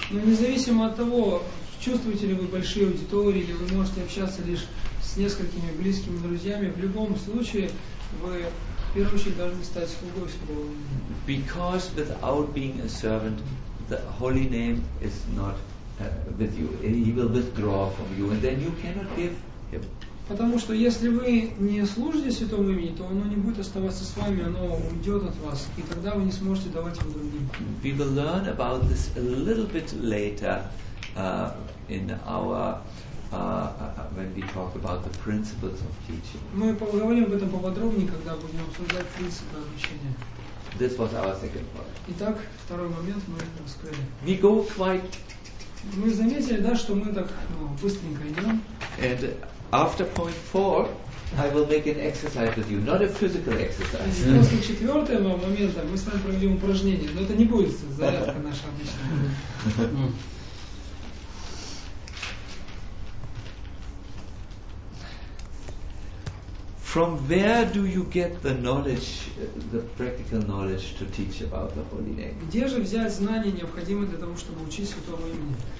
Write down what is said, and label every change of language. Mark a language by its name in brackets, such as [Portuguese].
[Russian] Но независимо от того, чувствуете ли вы большие аудитории, или вы можете общаться лишь с несколькими близкими друзьями, в любом случае вы в первую очередь должны стать слугой Святого Имени. [English] Because without being a servant, the holy name is not with you. He will withdraw from you, and then you cannot give him. [Russian] Потому что если вы не служите Святому Имени, то оно не будет оставаться с вами, оно уйдет от вас, и тогда вы не сможете давать его другим. [English] We will learn about this a little bit later in our when we talk about the principles of teaching. [Russian] Мы поговорим об этом поподробнее, когда будем обсуждать принципы обучения. [English] This was our second point. [Russian] Итак, второй момент мы раскрыли. [English] We go quite. [Russian] Мы заметили, да, что мы так быстренько идем. [English] And after point four, I will make an exercise with you, not a physical exercise. [Russian] После четвертого момента мы с вами проведем упражнение, но это не будет зарядка наша обычная. [English] From where do you get the knowledge, the practical knowledge to teach about the holy name? [Russian] Где же взять знания, необходимые для того, чтобы учить святого имени?